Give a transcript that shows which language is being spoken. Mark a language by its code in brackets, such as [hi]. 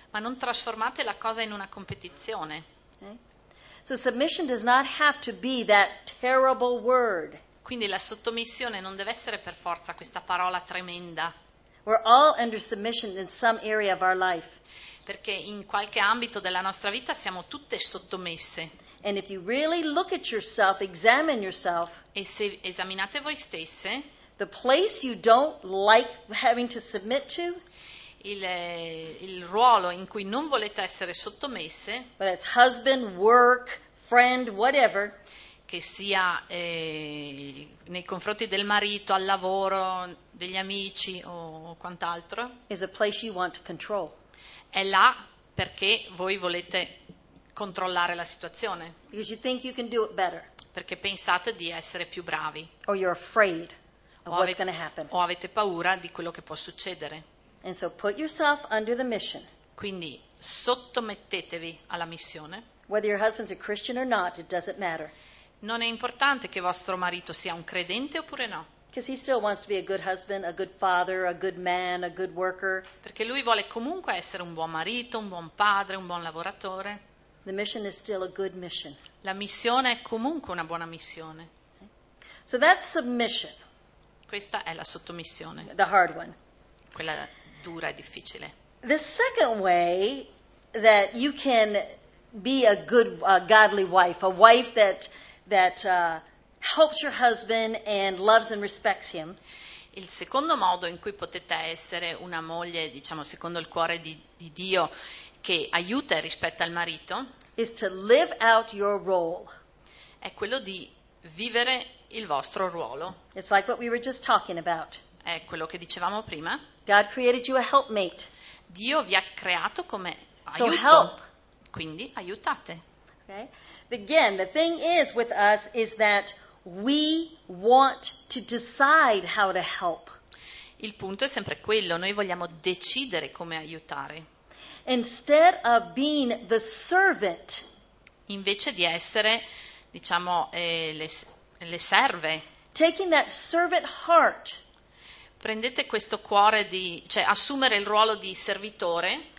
[it] Ma non trasformate la cosa in una competizione. [en] Okay? So submission does not have to be that terrible word. [it] Quindi la sottomissione non deve essere per forza questa parola tremenda. [en] We're all under submission in some area of our life. [it] Perché in qualche ambito della nostra vita siamo tutte sottomesse. [en] And if you really look at yourself, examine yourself, [it] e se esaminate voi stesse, [en] the place you don't like having to submit to, [it] Il ruolo in cui non volete essere sottomesse, [en] whether it's husband, work, friend, whatever, [it] che sia nei confronti del marito, al lavoro, degli amici o quant'altro, [en] is a place you want to control. [it] È là perché voi volete controllare la situazione. [en] Because you think you can do it better. [it] Perché pensate di essere più bravi. [en] Or you're afraid of what's going to happen. [it] O avete paura di quello che può succedere. [en] And so put yourself under the mission. [it] Quindi sottomettetevi alla missione. [en] Whether your husband's a Christian or not, it doesn't matter. [it] Non è importante che vostro marito sia un credente oppure no. [en] Because he still wants to be a good husband, a good father, a good man, a good worker. [it] Perché lui vuole comunque essere un buon marito, un buon padre, un buon lavoratore. [en] The mission is still a good mission. [it] La missione è comunque una buona missione. [en] Okay. So that's submission. [it] Questa è la sottomissione. [en] The hard one. [it] Quella dura e difficile. [en] The second way that you can be a good, godly wife, a wife that helps your husband and loves and respects him. [it] Il secondo modo in cui potete essere una moglie, diciamo, secondo il cuore di Dio, che aiuta e rispetta il marito, [en] is to live out your role. [it] È quello di vivere il vostro ruolo. [en] It's like what we were just talking about. [it] È quello che dicevamo prima. [en] God created you a helpmate. [it] Dio vi ha creato come aiuto. [en] So help. [it] Quindi aiutate. [en] Okay. Again, the thing is with us is that we want to decide how to help. [it] Il punto è sempre quello, noi vogliamo decidere come aiutare. [en] Instead of being the servant. [it] Invece di essere, diciamo, le serve. [en] Taking that servant heart. [it] Prendete questo cuore di, cioè assumere il ruolo di servitore.